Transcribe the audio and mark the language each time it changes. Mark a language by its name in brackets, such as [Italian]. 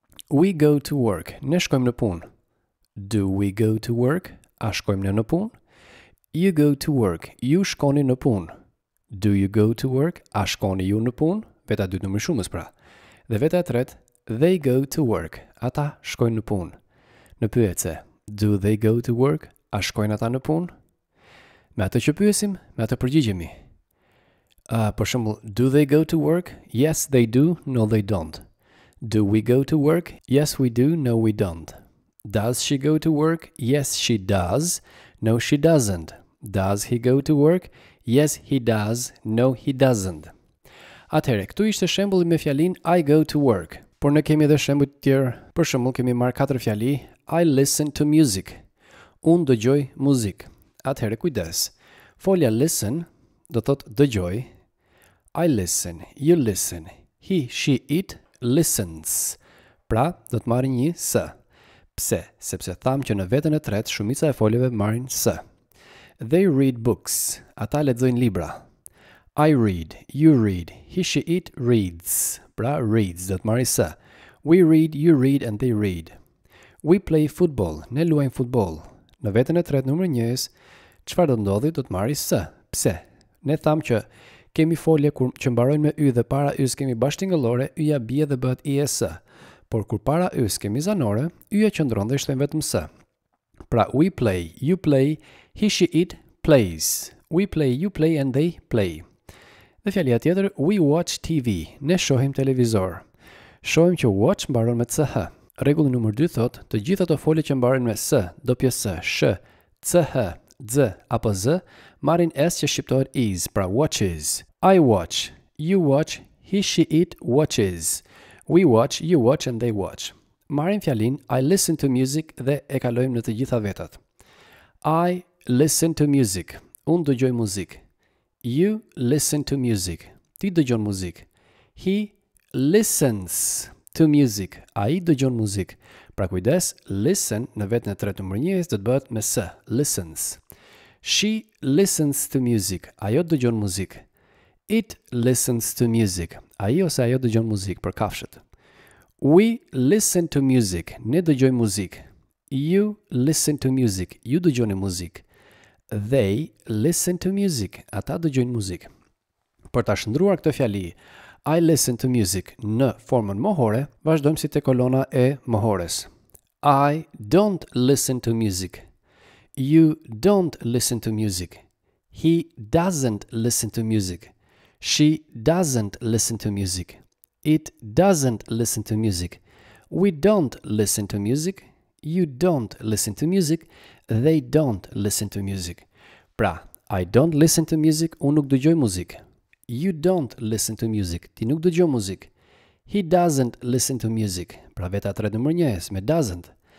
[English] We go to work. [Albanian] Ne shkojmë në punë. [English] Do we go to work? [Albanian] A shkojmë ne në punë? [English] You go to work. [Albanian] Ju shkoni në punë. [English] Do you go to work? [Albanian] A shkoni ju në punë? Veta dytë numër shumës pra. Dhe veta e tretë, [English] they go to work. [Albanian] Ata shkojnë në punë. Në pyetse, [English] do they go to work? [Albanian] A shkojnë ata në punë? Me atë që pyesim, me atë përgjigjemi. Për shembull, [English] do they go to work? Yes, they do. No, they don't. Do we go to work? Yes, we do. No, we don't. Does she go to work? Yes, she does. No, she doesn't. Does he go to work? Yes, he does. No, he doesn't. [Albanian] Atëherë, këtu ishte shembulli me fjalin [English] I go to work. [Albanian] Por ne kemi edhe shembuj të tjerë. Për shembull, kemi marrë katër fjali [English] I listen to music. [Albanian] Unë dëgjoj muzikë. Atëherë, kujdes. Folja listen do thotë dëgjoj. [English] I listen, you listen. He, she, it listens. [Albanian] Pra, do të marrë një s. Pse? Sepse tham që në vetën e tretë shumica e foljeve marrin s. [English] They read books. [Albanian] Ata lexojnë libra. [English] I read, you read, he, she, it reads. Pra, reads, [Albanian] do të marrë s. [English] We read, you read, and they read. We play football. [Albanian] Ne luajmë futboll. Në vetën e tretë numër njëz, çfarë do ndodhi, do të marrë s. Pse? Ne thamë që kemi folje kur që mbarojnë me y dhe para ys kemi bashkëtingëllore, y-ja bie dhe bëhet is. Por kur para ys kemi zanore, y-ja qëndron dhe shtojmë vetëm s. [English] Pra, we play, you play, he, she, it plays. We play, you play, and they play. [Albanian] Dhe fjalia tjetër, [English] we watch TV, [Albanian] ne shohim televizor. Shohim që watch mbaron me ch. Rregulli numër 2 thot, të gjitha ato folje që mbaren me s, ws, sh, ch, z apo z, marrin s që shqiptohet is, pra watches. [English] I watch, you watch, he, she, it watches. We watch, you watch, and they watch. [Albanian] Marrin fjalin, [English] I listen to music [Albanian] dhe e kalojmë në të gjitha vetat. [English] I listen to music, [Albanian] unë dëgjoj muzikë. [English] You listen to music. [Albanian] Ti dëgjon muzik. [English] He listens to music. [Albanian] Ai dëgjon muzik. Pra kujdes, listen në vetën e tretë numër njëz do të bëhet me s, listens. [English] She listens to music. [Albanian] Ajo dëgjon muzik. [English] It listens to music. [Albanian] Ai ose ajo dëgjon muzik për kafshët. [English] We listen to music. [Albanian] Ne dëgjojmë muzik. [English] You listen to music. [Albanian] Ju dëgjoni muzik. [English] They listen to music. [Albanian] Ata dëgjojnë muzikë. Për ta shndruar këtë fjali, [English] I listen to music [Albanian] në formën mohore, vazhdojmë si te kolona e mohores. [English] I don't listen to music. You don't listen to music. He doesn't listen to music. She doesn't listen to music. It doesn't listen to music. We don't listen to music. You don't listen to music. They don't listen to music. Pra, I don't listen to music, [Albanian] unë nuk dëgjoj muzik. [English] You don't listen to music, [Albanian] ti nuk dëgjoj muzik. [English] He doesn't listen to music. [Albanian] Pra, veta tre nëmër njës, me doesn't.